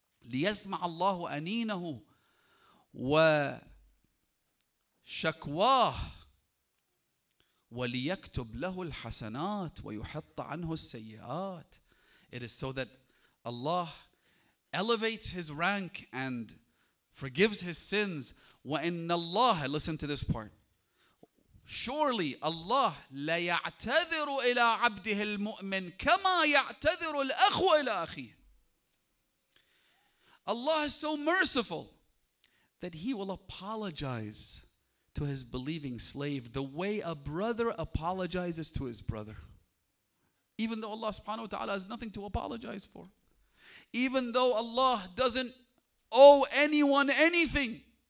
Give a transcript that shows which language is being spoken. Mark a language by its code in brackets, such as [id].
[ar] لِيَسْمَعَ اللَّهُ أَنِينَهُ وَشَكْوَاهُ وَلِيَكْتُبْ لَهُ الْحَسَنَاتُ وَيُحَطَّ عَنْهُ السَّيِّئَاتُ. [en] It is so that Allah elevates his rank and forgives his sins. [ar] وَإِنَّ اللَّهَ, [en] listen to this part, surely Allah [ar] لَيَعْتَذِرُ إِلَىٰ عَبْدِهِ الْمُؤْمِنِ كَمَا يَعْتَذِرُ الْأَخُ إِلَىٰ أَخِيهِ. [en] Allah is so merciful that he will apologize to his believing slave the way a brother apologizes to his brother. Even though Allah subhanahu wa ta'ala has nothing to apologize for. Even though Allah doesn't owe anyone anything.